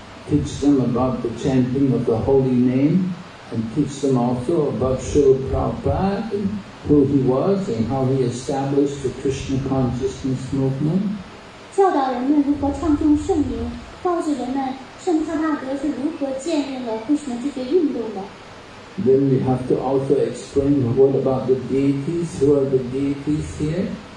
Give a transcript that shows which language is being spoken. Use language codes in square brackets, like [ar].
[en] Teach them about the chanting of the holy name, and teach them also about Srila Prabhupada, and who he was, and how he established the Krishna consciousness movement. [zh] 教导人们如何唱诵圣名，告诉人们圣帕纳德是如何建立了Krishna这些运动的。 [en] Then we have to also explain what about the deities, who are the deities here?